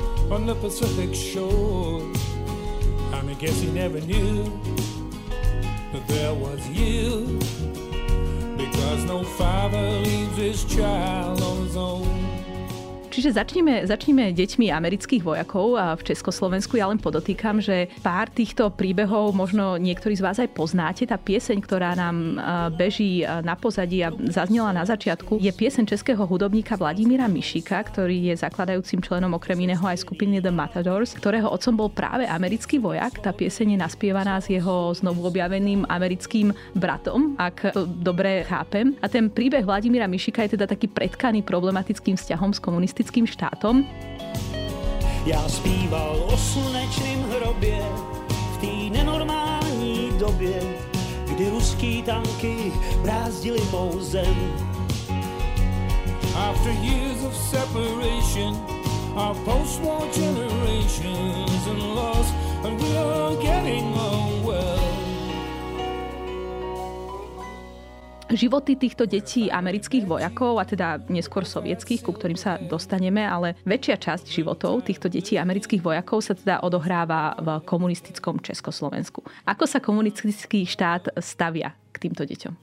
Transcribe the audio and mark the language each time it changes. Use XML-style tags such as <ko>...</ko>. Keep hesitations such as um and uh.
<en>on the Pacific shore, and I mean, guess he never knew there was you. Because no father leaves his child on his own.</en> <sk>Čiže začneme, začneme deťmi amerických vojakov a v Československu. Ja len podotýkam, že pár týchto príbehov možno niektorí z vás aj poznáte. Tá pieseň, ktorá nám beží na pozadí a zaznela na začiatku, je pieseň českého hudobníka Vladimíra Mišika, ktorý je zakladajúcim členom okrem iného aj skupiny The Matadors, ktorého otcom bol práve americký vojak. Tá pieseň je naspievaná s jeho znovu objaveným americkým bratom, ak to dobre chápem. A ten príbeh Vladimíra Mišika je teda taký predkaný problematickým vzťahom s komunistickým americkým štátom?</sk> <cs>Ja spíval o slunečným hrobie v tý nenormální dobie, kdy ruský tanky brázdili po zem.</cs> <en>After years of separation, our post-war generations and loss, and we are getting on well.</en> <sk>životy týchto detí amerických vojakov, a teda neskôr sovietských, ku ktorým sa dostaneme, ale väčšia časť životov týchto detí amerických vojakov sa teda odohráva v komunistickom Československu. Ako sa komunistický štát stavia k týmto deťom?</sk>